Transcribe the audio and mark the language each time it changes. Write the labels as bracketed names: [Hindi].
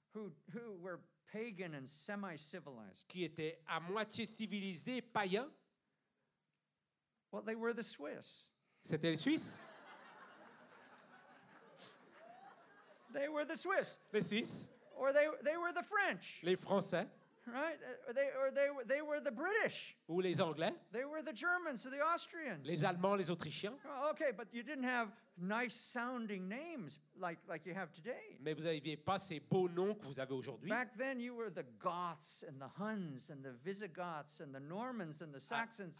[English] Who were pagan and semi-civilized? [French] Qui étaient à moitié civilisés païens? [English] Well, they were the Swiss. [French] C'était les Suisses. [English] They were the Swiss. [French] Les Suisses. [English] Or they were the French. [French] Les Français. [English] Right? They were the British. [French] Ou les Anglais. [English] They were the Germans or the Austrians. [French] Les Allemands, les Autrichiens. [English] Okay, but you didn't have nice sounding names like you have today. [French] Mais vous n'aviez pas ces beaux noms que vous avez aujourd'hui. [English] Back then you were the Goths and the Huns and the Visigoths and the Normans and the Saxons.